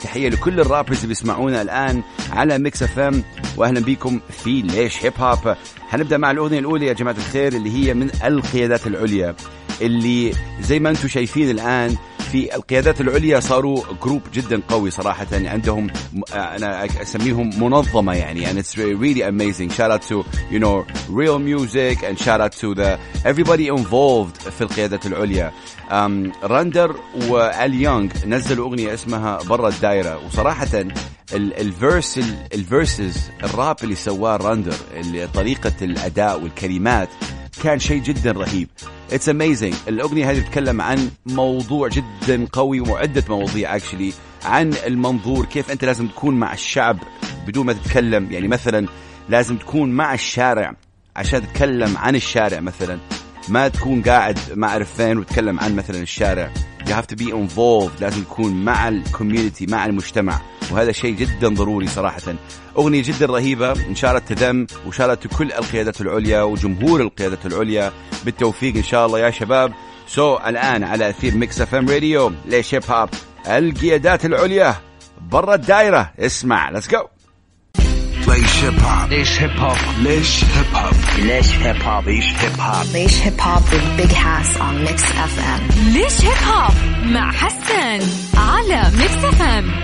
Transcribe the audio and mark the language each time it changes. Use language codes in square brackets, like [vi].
[ar] تحية لكل الرابرز اللي بيسمعونا الآن على Mix FM, وأهلا بكم في Laish Hip Hop. هنبدأ مع الأغنية الأولى يا جماعة الخير, اللي هي من القيادات العليا, اللي زي ما أنتم شايفين الآن في القيادات العليا صاروا جروب جدا قوي صراحة. يعني عندهم, أنا أسميهم منظمة يعني, [en] and it's really amazing. Shout out to, you know, Real Music, and shout out to the everybody involved [ar] في القيادات العليا. راندر وآل يونغ نزلوا أغنية اسمها برا الدائرة, وصراحة الفيرسز الراب اللي سواه راندر, طريقة الأداء والكلمات كان شيء جدا رهيب. [en] It's amazing. [ar] الأغنية هذه تتكلم عن موضوع جدا قوي, ومعدة مواضيع [en] actually, [ar] عن المنظور, كيف أنت لازم تكون مع الشعب بدون ما تتكلم. يعني مثلا لازم تكون مع الشارع عشان تتكلم عن الشارع, مثلا ما تكون قاعد مع عرفين وتتكلم عن مثلا الشارع. [en] You have to be involved, [ar] لازم تكون مع الكوميونتي, مع المجتمع, وهذا شيء جدا ضروري صراحة. أغنية جدا رهيبة, إن شاء الله تدم, وإن شاء الله كل القيادة العليا وجمهور القيادة العليا بالتوفيق إن شاء الله يا شباب. [en] So [ar] الآن على أثير Mix FM Radio, Laish Hip Hop, القيادات العليا, برا الدائرة. اسمع, [en] let's go. Laish Hip Hop, Laish Hip Hop, Laish Hip Hop, Laish Hip Hop, Laish Hip Hop, Laish Hip Hop with Big Hoss on Mix FM. [ar] Laish Hip Hop مع حسن على Mix FM.